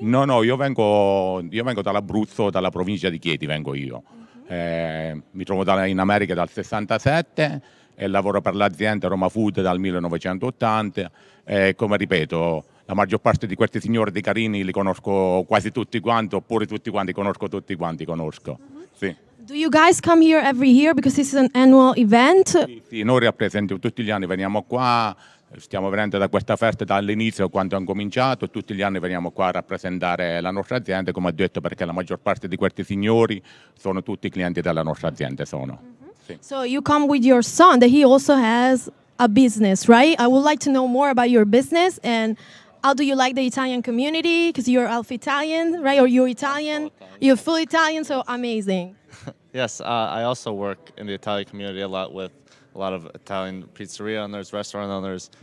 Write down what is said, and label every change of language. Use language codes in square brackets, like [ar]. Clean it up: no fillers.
[it] No, no, io vengo dall'Abruzzo, dalla provincia di Chieti vengo io. Mi trovo in America dal 67 e lavoro per l'azienda Roma Food dal 1980. Come ripeto, la maggior parte di questi signori di Carini li conosco quasi tutti quanti, oppure tutti quanti conosco. Mm-hmm. Sì. [en] Do you guys come here every year because this is an annual event? [it] Sì, sì, noi rappresentiamo tutti gli anni, veniamo qua, stiamo venendo da questa festa dall'inizio, quando è cominciato, tutti gli anni veniamo qua a rappresentare la nostra azienda, come ho detto, perché la maggior parte di questi signori sono tutti clienti della nostra azienda, sono. Mm-hmm. [en] Sì. So you come with your son that he also has a business, right? I would like to know more about your business and how do you like the Italian community, because you're half Italian, right? Or you're Italian. Italian, you're full Italian, so amazing. Yes, I also work in the Italian community a lot, with a lot of Italian pizzeria owners, restaurant owners.